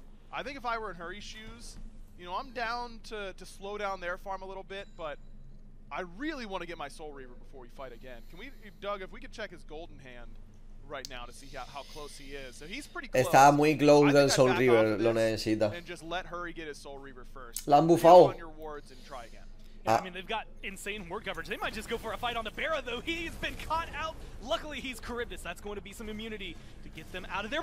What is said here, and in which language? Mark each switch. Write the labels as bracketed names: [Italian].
[English] I think if I were in Hurry's shoes, you know, I'm down to slow down their farm a little bit, but I really want to get my Soul Reaver before we fight again. Can we, Doug, if we could check his golden hand right now to see how close he is. So he's pretty close. [Spanish] Está muy close del Soul Reaver, lo necesita. [English] And just let Hurry get his Soul Reaver first. [Spanish] La han bufado. [English] On your wards and try again. Yeah, I mean, they've got insane ward coverage. They might just go for a fight on the Barra, though. He's been caught out. Luckily, he's Charybdis. That's going to be some immunity to get them out of there.